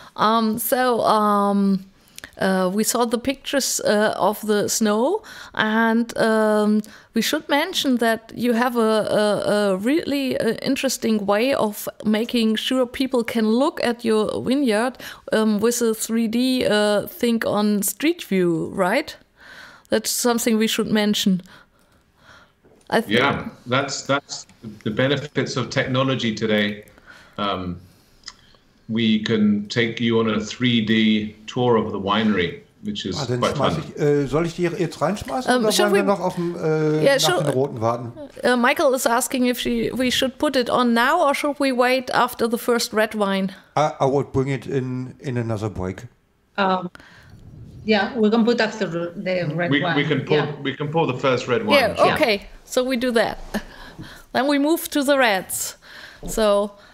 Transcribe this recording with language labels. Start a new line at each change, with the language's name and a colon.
English: We saw the pictures of the snow, and we should mention that you have a really interesting way of making sure people can look at your vineyard with a 3D thing on Street View, right? That's something we should mention. That's the benefits of technology today. We can take you on a 3D tour of the winery, which is quite fun.
German: Soll ich die jetzt reinschmeißen oder sollen wir noch auf dem roten warten?
English: Michael is asking if we should put it on now or should we wait after the first red wine? I would bring it in another break. We can put after the red wine. We can pour the first red wine. Yeah, okay. So we do that. Then we move to the reds. So,